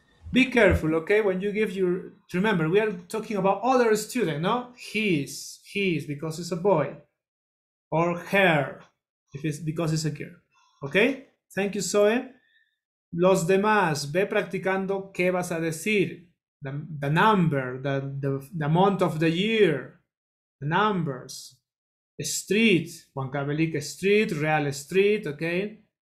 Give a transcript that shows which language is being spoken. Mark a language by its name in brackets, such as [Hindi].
[English] Be careful, okay, when you give your, remember, we are talking about other students, no? his because it's a boy, or her if it's because it's a girl. Okay, thank you, Zoe. [Spanish] Los demás, ve practicando qué vas a decir. [English] The number, the month of the year, the numbers, street, Juan Cabelic Street, Real Street, okay?